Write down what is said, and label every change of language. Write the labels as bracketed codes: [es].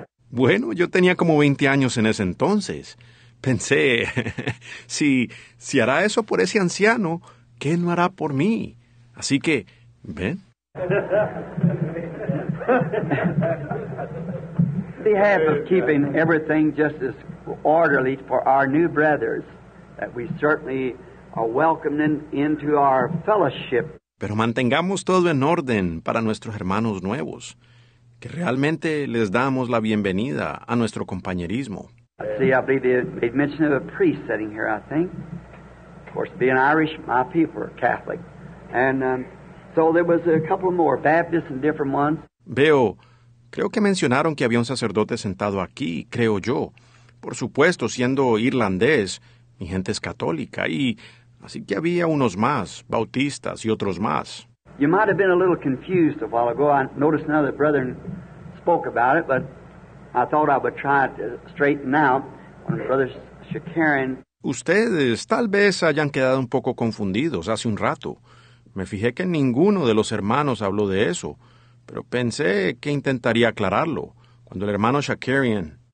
[es] Bueno, yo tenía como 20 años en ese entonces. Pensé, si hará eso por ese anciano, ¿qué no hará por mí? Así que, ven. [en] Behalf of keeping everything just as orderly for our new brothers, that we certainly are welcoming into our fellowship. [es] Pero mantengamos todo en orden para nuestros hermanos nuevos, que realmente les damos la bienvenida a nuestro compañerismo. [en] See, I believe they mentioned of a priest sitting here, I think. Of course, being Irish, my people are Catholic. And so there was a couple more, Baptists and different ones. [es] Veo, creo que mencionaron que había un sacerdote sentado aquí, creo yo. Por supuesto, siendo irlandés, mi gente es católica, y así que había unos más, bautistas y otros más. [en] You might have been a little confused a while ago. I noticed another brethren spoke about it, but I thought I would try to straighten out when Brother Shakarian. [es] Ustedes tal vez hayan quedado un poco confundidos hace un rato. Me fijé que ninguno de los hermanos habló de eso, pero pensé que intentaría aclararlo cuando el hermano Shakarian.